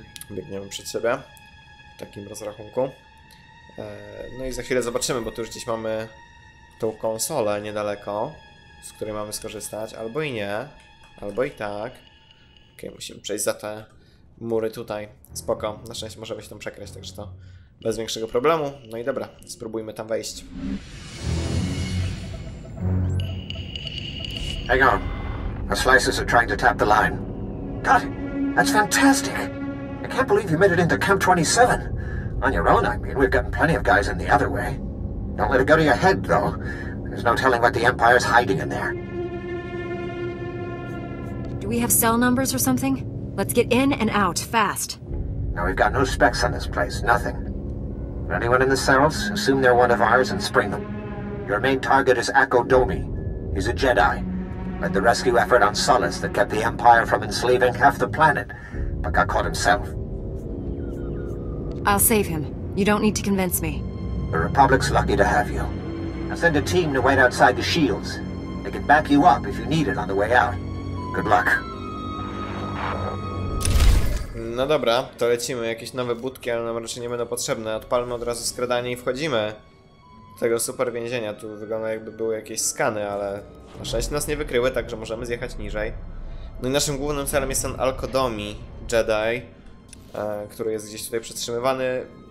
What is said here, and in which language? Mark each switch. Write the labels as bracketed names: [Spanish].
[Polish] Biegniemy przed siebie w takim rozrachunku. No i za chwilę zobaczymy, bo tu już gdzieś mamy tą konsolę niedaleko, z której mamy skorzystać. Albo i nie, albo i tak. Okay, musimy przejść za te mury tutaj. Spoko, na szczęście możemy się tam przekraść, także to bez większego problemu. No i dobra, spróbujmy tam wejść. [English] Hang on. Our slicers are trying to tap the line. God, that's fantastic. I can't believe you made it into Camp 27. On your own, I mean, we've gotten plenty of guys in the other way. Don't let it go to your head, though. There's no telling what the Empire's hiding in there. Do we have cell numbers or something? Let's get in and out, fast. Now we've got no specs on this place, nothing. But anyone in the cells, assume they're one of ours and spring them. Your main target is Akko Domi. He's a Jedi. Led the rescue effort on Solace that kept the Empire from enslaving half the planet, but got caught himself. I'll save him. You don't need to convince me. The Republic's lucky to have you. Now send a team to wait outside the shields. They can back you up if you need it on the way out. Good luck. [Polish] No dobra, to lecimy. Jakieś nowe budki, ale nam raczej nie będą potrzebne. Odpalmy od razu skradanie i wchodzimy do tego super więzienia. Tu wygląda, jakby były jakieś skany, ale na szczęście nas nie wykryły, także możemy zjechać niżej. No i naszym głównym celem jest ten Akko Domi Jedi, który jest gdzieś tutaj przetrzymywany.